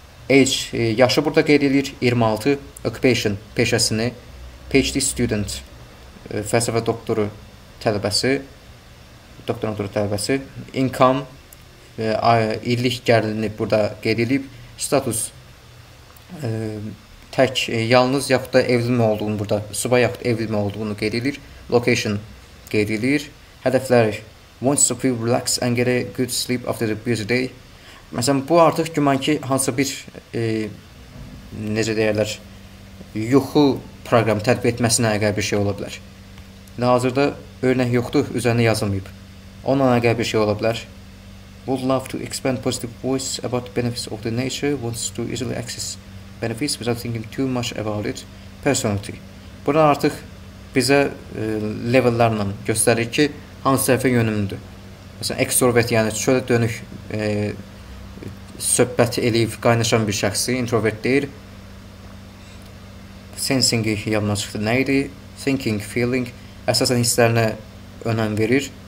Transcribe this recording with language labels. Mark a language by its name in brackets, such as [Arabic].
[Azerbaijani] Age, yaşı burada qeyd edir 26, occupation, peşəsini, PhD student, fəlsəfə doktoru tələbəsi, doktorantura tələbəsi, income, illik gəlirini burada qeyd edib, status, tək, yalnız yaxud da evlilmə olduğunu burada, subay yaxud evlilmə olduğunu qeyd edir, location qeyd edir, hədəflər, [English] wants to feel relaxed and get a good sleep after the busy day. [Azerbaijani] Məsələn, bu artıq güman ki, hansısa bir necə deyərlər, yuxu proqramı tətbiq etməsinə əgər bir şey ola bilər. Hazırda örnək yoxdur, üzərinə yazılmayıb. Onunla əgər bir şey ola bilər. [English] Would love to expand positive voice about benefits of the nature, wants to easily access benefits without thinking too much about it, personality. [Azerbaijani] Burada artıq bizə levellərlə göstərir ki, hansı tərəfə yönümlüdür. Məsələn, extrovert, yəni çölə dönük söhbət eləyib qaynaşan bir şəxsi, introvert deyir. Sensing yanına çıxdı, nə idi? Thinking, feeling, əsasən hisslərinə önəm verir.